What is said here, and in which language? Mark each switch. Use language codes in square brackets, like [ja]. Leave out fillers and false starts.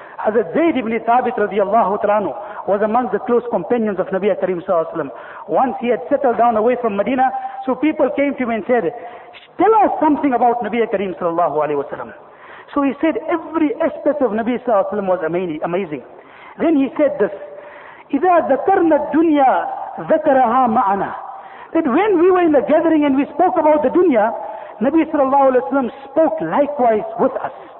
[en] Hazrat Zayd ibn Thabit radiallahu ta'ala was amongst the close companions of Nabi Karim sallallahu alaihi wasallam. Once he had settled down away from Medina, so people came to him and said, tell us something about Nabi Karim sallallahu alaihi wasallam. So he said, every aspect of Nabi sallallahu alaihi wasallam was amazing. Then he said this, [ar] إِذَا ذَكَرْنَا الدُّنْيَا ذَكَرَهَا مَعَنَا. [en] That when we were in the gathering and we spoke about the dunya, Nabi sallallahu alaihi wasallam spoke likewise with us.